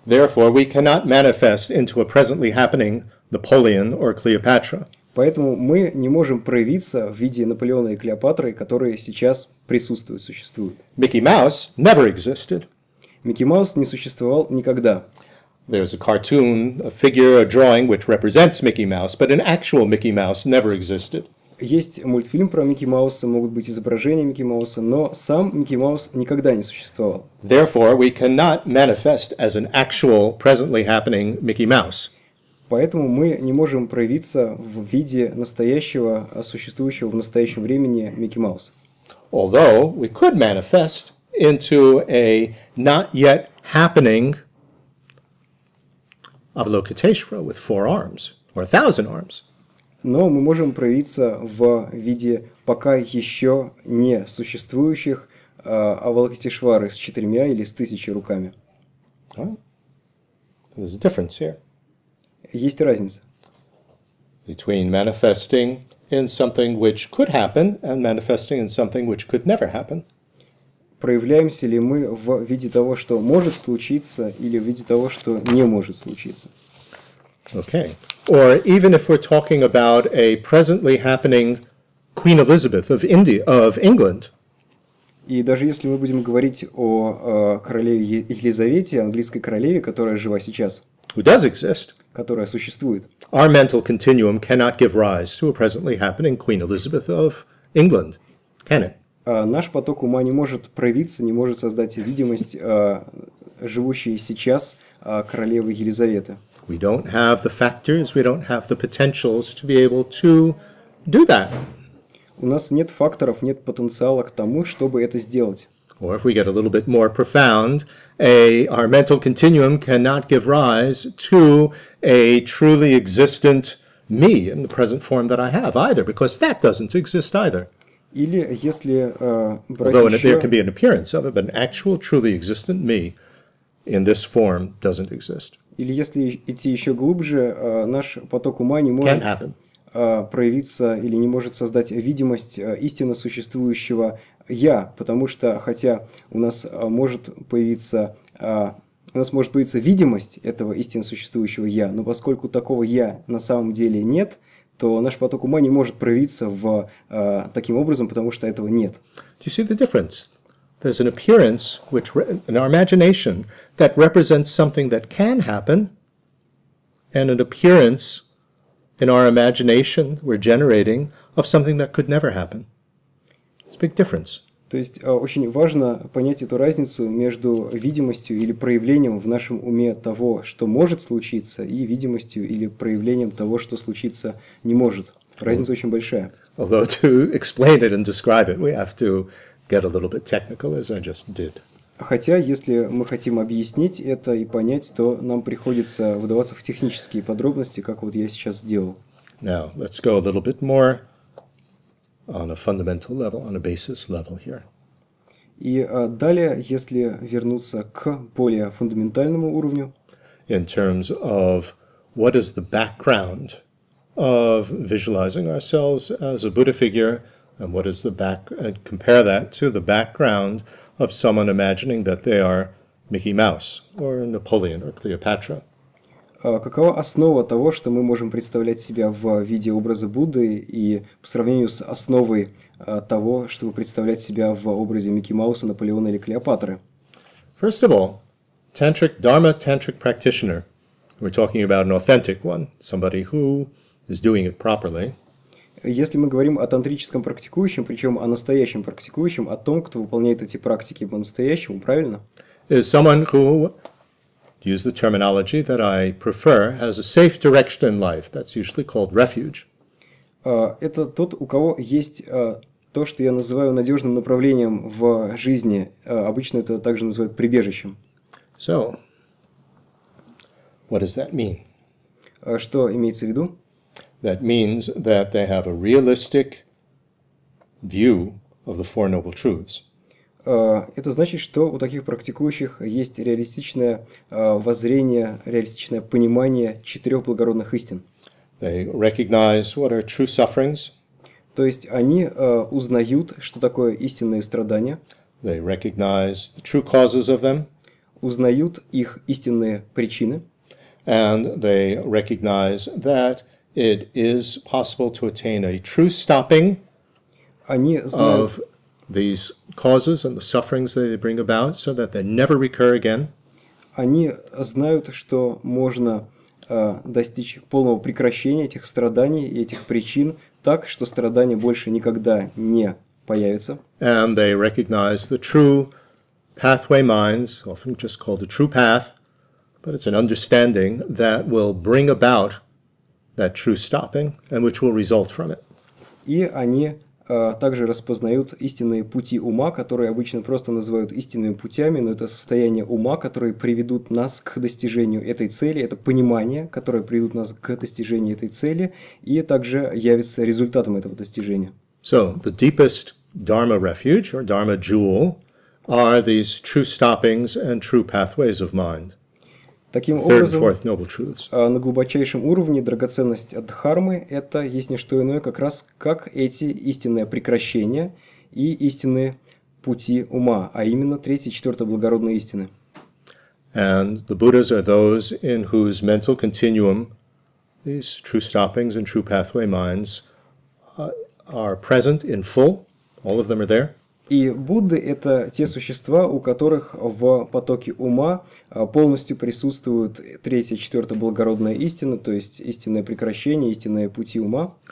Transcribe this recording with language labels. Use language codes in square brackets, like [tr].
[en] Therefore, we cannot manifest into a presently happening Napoleon or Cleopatra. [ru] Поэтому мы не можем проявиться в виде Наполеона и Клеопатры, которые сейчас присутствуют, существуют. [en] Микки Маус never existed. [ru] Микки Маус не существовал никогда. [en] There's a cartoon, a figure, a drawing which represents Mickey Mouse, but an actual Mickey Mouse never existed. [ru] Есть мультфильм про Микки Мауса, могут быть изображения Микки Мауса, но сам Микки Маус никогда не существовал. [en] Therefore, we cannot manifest as an actual, presently happening Mickey Mouse. [ru] Поэтому мы не можем проявиться в виде настоящего, существующего в настоящем времени Микки Мауса. [en] Although we could manifest into a not yet happening Avalokiteshvara with four arms or a thousand arms. [ru] Но мы можем проявиться в виде пока еще не существующих Авалокитешвары с четырьмя или с тысячей руками. [en] Right. There's a difference here. [ru] Есть разница. [en] Between manifesting in something which could happen and manifesting in something which could never happen. [ru] Проявляемся ли мы в виде того, что может случиться, или в виде того, что не может случиться? [en] Okay. Or even if we're talking about a presently happening Queen Elizabeth of India, of England. [ru] И даже если мы будем говорить о королеве Елизавете, английской королеве, которая жива сейчас, [en] who does exist, [ru] которая существует, [en] our mental continuum cannot give rise to a presently happening Queen Elizabeth of England, can it? [ru] Наш поток ума не может проявиться, не может создать видимость живущей сейчас королевы Елизаветы. [en] We don't have the factors, we don't have the potentials to be able to do that. [ru] У нас нет факторов, нет потенциала к тому, чтобы это сделать. [en] Or if we get a little bit more profound, our mental continuum cannot give rise to a truly existent me in the present form that I have either, because that doesn't exist either. [ru] Или если [en] Although [ru] еще... [en] there can be an appearance of it, but an actual, truly existent me in this form doesn't exist. [ru] Или если идти еще глубже, наш поток ума не может проявиться или не может создать видимость истинно существующего я, потому что хотя у нас может появиться видимость этого истинно существующего я, но поскольку такого я на самом деле нет, то наш поток ума не может проявиться в таким образом, потому что этого нет. [en] Do you see the difference? There's an appearance which in our imagination that represents something that can happen, and an appearance in our imagination we're generating of something that could never happen. It's a big difference. [ru] То есть очень важно понять эту разницу между видимостью или проявлением в нашем уме того, что может случиться, и видимостью или проявлением того, что случиться не может. Разница очень большая. [en] Although to explain it and describe it, we have to get a little bit technical, as I just did. [ru] Хотя, если мы хотим объяснить это и понять, то нам приходится вдаваться в технические подробности, как вот я сейчас сделал. [en] Now, let's go a little bit more on a fundamental level, on a basis level here. [ru] И далее, если вернуться к более фундаментальному уровню. [en] In terms of what is the background of visualizing ourselves as a Buddha figure, and what is the back, and compare that to the background of someone imagining that they are Mickey Mouse, or Napoleon, or Cleopatra. [ru] Какова основа того, что мы можем представлять себя в виде образа Будды, и по сравнению с основой того, чтобы представлять себя в образе Микки Мауса, Наполеона или Клеопатры? [en] First of all, tantric, dharma tantric practitioner, we're talking about an authentic one, somebody who is doing it properly. [ru] Если мы говорим о тантрическом практикующем, причем о настоящем практикующем, о том, кто выполняет эти практики по-настоящему, правильно? [en] Is someone who, use the terminology that I prefer, has a safe direction in life. That's usually called refuge. [ru] Это тот, у кого есть то, что я называю надежным направлением в жизни. Обычно это также называют прибежищем. [en] So, what does that mean? [ru] Что имеется в виду? [en] That means that they have a realistic view of the Four Noble Truths. [ru] Это значит, что у таких практикующих есть реалистичное воззрение, реалистичное понимание четырех благородных истин. [en] They recognize what are true sufferings. [ru] То есть они узнают, что такое истинные страдания. [en] They recognize the true causes of them. [ru] Узнают их истинные причины. [en] And they recognize that it is possible to attain a true stopping of these causes and the sufferings that they bring about so that they never recur again. [ru] Они знают, что можно достичь полного прекращения этих страданий и этих причин так, что страдания больше никогда не появятся. [en] And they recognize the true pathway minds, often just called the true path, but it's an understanding that will bring about that true stopping and which will result from it. [ru] И они также распознают истинные пути ума, которые обычно просто называют истинными путями, но это состояние ума, которые приведут нас к достижению этой цели, это понимание, которое приведет нас к достижению этой цели, и также явится результатом этого достижения. [en] So, the deepest dharma refuge, or dharma jewel, are these true stoppings and true pathways of mind. [ru] Таким образом, на глубочайшем уровне драгоценность Дхармы – это есть не что иное, как раз как эти истинные прекращения и истинные пути ума, а именно третья и четвертая благородные истины. [en] And the Buddhas are those in whose mental continuum these true stoppings and true pathway minds are present in full. All of them are there. [ru] И Будды – это те существа, у которых в потоке ума полностью присутствуют третья и четвертая благородная истина, то есть истинное прекращение, истинные пути ума.